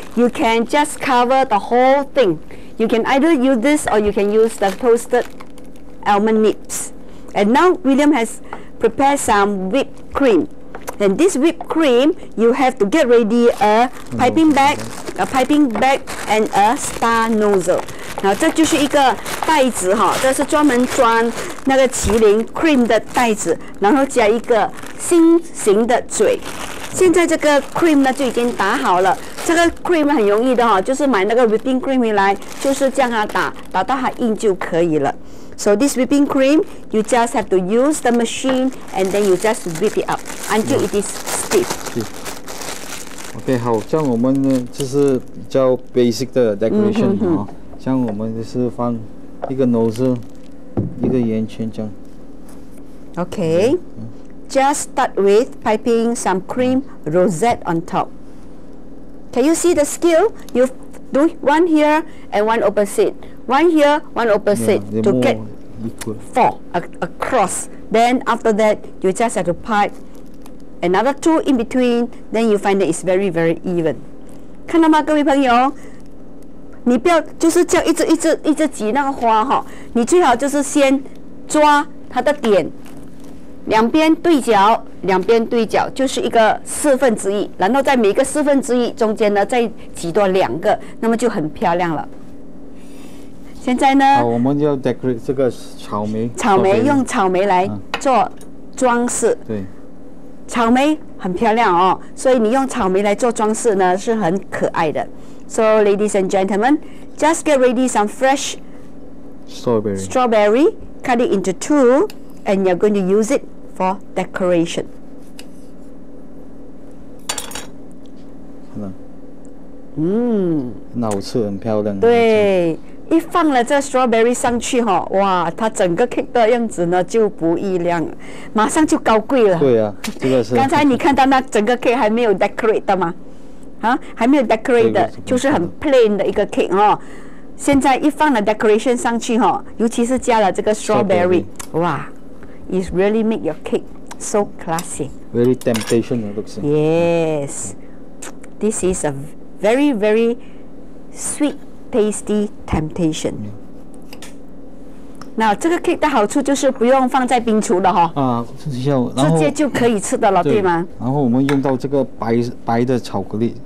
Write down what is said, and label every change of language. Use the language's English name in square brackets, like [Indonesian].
[English] You can just cover the whole thing. You can either use this or you can use the toasted almond nibs. And now William has prepared some whipped cream. And this whipped cream, you have to get ready a piping bag, and a star nozzle. [Chinese] 好，这就是一个袋子哈，这是专门装那个麒麟 cream 的袋子，然后加一个心形的嘴。现在这个 cream 呢就已经打好了，这个 cream 很容易的哈，就是买那个 whipping cream 回来，就是这样啊打到它硬就可以了。 [English] So this whipping cream, you just have to use the machine and then you just whip it up until it is stiff. [Chinese] OK， 好，这样我们呢就是比较 basic 的 decoration 哈。像我们就是放一个 nose， 一个圆圈这样。 [English] Okay, just start with piping some cream rosette on top. Can you see the skill? You do one here and one opposite. One here, one opposite to get four across. Then after that, you just have to pipe another two in between. Then you find that it's very very even. [Chinese] 看到吗，各位朋友？你不要就是这样一直挤那个花哈，你最好就是先抓它的点，两边对角，两边对角就是一个四分之一，然后在每一个四分之一中间呢再挤多两个，那么就很漂亮了。现在呢，我们要 decorate 这个草莓，用草莓来做装饰。对，草莓很漂亮哦，所以你用草莓来做装饰呢是很可爱的。 [English] So, ladies and gentlemen, just get ready some fresh strawberry, cut it into two, and you're going to use it for decoration. Hello. [Chinese] 好吃，很漂亮。对，一放了这 strawberry 上去哈，哇，它整个 cake 的样子呢就不一样，马上就高贵了。对啊，这个是。刚才你看到那整个 cake 还没有 decorate 的吗？还没有 decorate 的，就是很 plain 的一个 cake 哦。现在一放了 decoration 上去、哦、尤其是加了这个 strawberry， 哇 ， [English] it really make your cake so classy。 Very temptation looks. Yes, this is a very very sweet, tasty temptation.、Yeah. [Chinese] 那这个 cake 的好处就是不用放在冰橱了哈、啊、直接就可以吃的了 对吗然后我们用到这个 白的巧克力